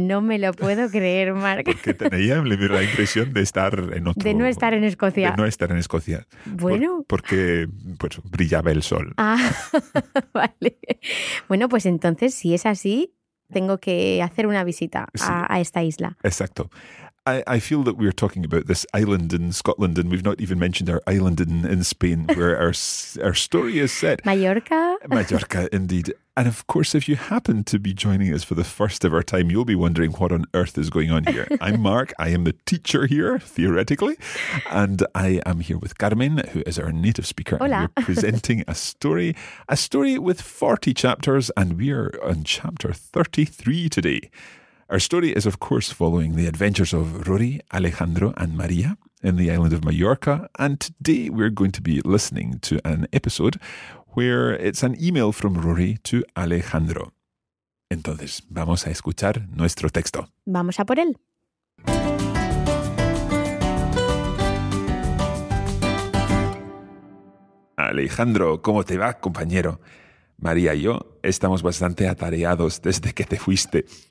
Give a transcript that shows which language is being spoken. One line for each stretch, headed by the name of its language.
Spanish: Bueno, no me lo puedo creer, Marc. Porque tenía la impresión de estar en otro... De no estar en Escocia. De no estar en Escocia. Bueno. Porque pues, brillaba el sol. Ah, vale. Bueno, pues entonces, si es así... Tengo que hacer una visita a esta isla. Exacto.
English: I feel that we're talking about this island in Scotland and we've not even mentioned our island in Spain where our story is set. Mallorca. Mallorca, indeed. And of course, if you happen to be joining us for the first of our time, you'll be wondering what on earth is going on here. I'm Mark. I am the teacher here, theoretically. And I am here with Carmen, who is our native speaker.
Spanish: Hola.
English: And we're presenting a story with 40 chapters, and we are on chapter 33 today. Our story is, of course, following the adventures of Rory, Alejandro and Maria in the island of Mallorca. And today we're going to be listening to an episode where it's an email from Rory to Alejandro.
Spanish: Entonces, vamos a escuchar nuestro texto. Vamos a por él. Alejandro, ¿cómo te va, compañero? María y yo estamos bastante atareados desde que te fuiste.